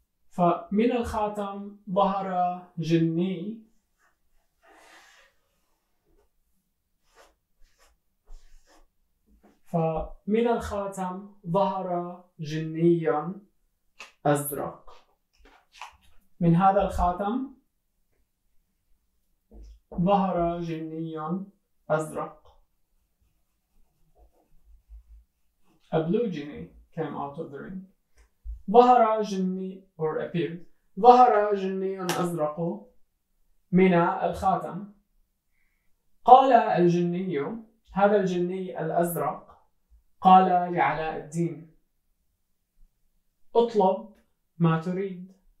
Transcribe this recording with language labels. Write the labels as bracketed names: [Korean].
[Arabic] فمن الخاتم ظهر جني فمن الخاتم ظهر جنيا أزرق. من هذا الخاتم ظهر جنيا أزرق. [English] A blue genie came out of the ring. [Arabic] ظهر جني [English] or appeared. [Arabic] ظهر جني أزرق من الخاتم. قال الجني، هذا الجني الأزرق قال لعلاء الدين: اطلب ما تريد.